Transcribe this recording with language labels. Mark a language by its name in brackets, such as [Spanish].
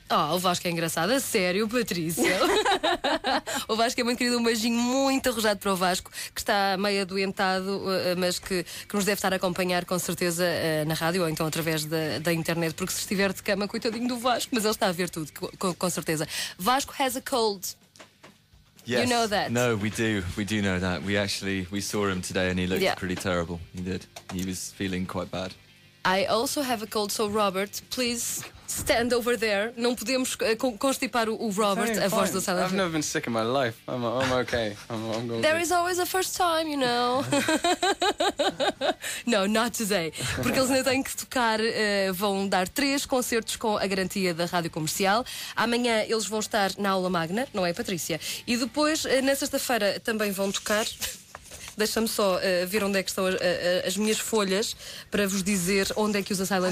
[Portuguese] Oh, o Vasco é engraçado, a sério, Patrícia. O Vasco é muito querido, um beijinho muito arrojado para o Vasco, que está meio adoentado, mas que nos deve estar a acompanhar com certeza na rádio ou então através da internet, porque se estiver de cama, coitadinho do Vasco, mas ele está a ver tudo, com certeza. [English] Vasco has a cold. Yes. You know that. No, we do. We do know that. We saw him today and he looked pretty terrible. He did. He was feeling quite bad. I also have a cold, so Robert, please stand over there. [Portuguese] Não podemos constipar o Robert, a voz do Salah. [English] I've never been sick in my life. I'm okay. I'm going. There is always a first time, you know. No, not today. [Portuguese] Porque eles ainda têm que tocar, vão dar 3 concertos com a garantia da Rádio Comercial. Amanhã eles vão estar na Aula Magna, não é, Patrícia? E depois, na sexta-feira, também vão tocar. Deixa-me só ver onde é que estão as minhas folhas para vos dizer onde é que os Asylum